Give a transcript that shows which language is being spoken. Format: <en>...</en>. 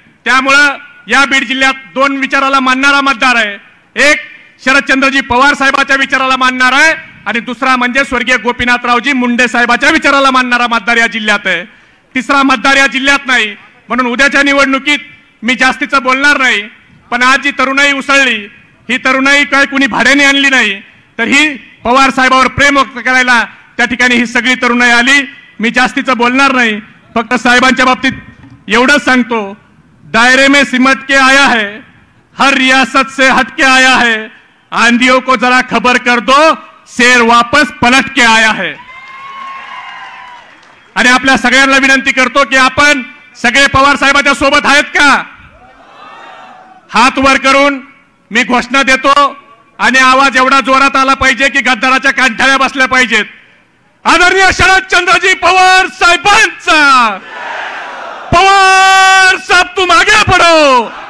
<mr>त्यामुळं या बीड जिल्ह्यात दोन विचाराला मानणारा मतदार आहे, एक शरदचंद्रजी पवार साहेबांच्या विचाराला मानणार आहे आणि दुसरा म्हणजे स्वर्गीय गोपीनाथरावजी मुंडे साहेबांच्या विचाराला मानणारा मतदार या जिल्ह्यात आहे। तिसरा मतदार या जिल्ह्यात नाही, म्हणून उद्याच्या निवडणुकीत मी जास्तीचं बोलणार नाही। पण आज जी तरुणाई उसळली, ही तरुणाई काय कुणी भाड्याने आणली नाही, तर ही पवार साहेबांवर प्रेम व्यक्त करायला त्या ठिकाणी ही सगळी तरुणाई आली। मी जास्तीचं बोलणार नाही, फक्त साहेबांच्या बाबतीत एवढंच सांगतो,</mr> <hi>दायरे में सिमट के आया है, हर रियासत से हटके आया है, आंधियों को जरा खबर कर दो, शेर वापस पलट के आया है।</hi> <mr>आणि आपल्या सगळ्यांना विनंती करतो की आपण सगळे पवार साहेबांच्या सोबत आहेत का? हात वर करून मी घोषणा देतो आणि आवाज एवढा जोरात आला पाहिजे की गद्दाराच्या कांठाळ्या बसल्या पाहिजेत, आदरणीय शरदचंद्रजी पवार साहेबांचा,</mr> <hi>पवार साहब तुम आगे पड़ो।</hi>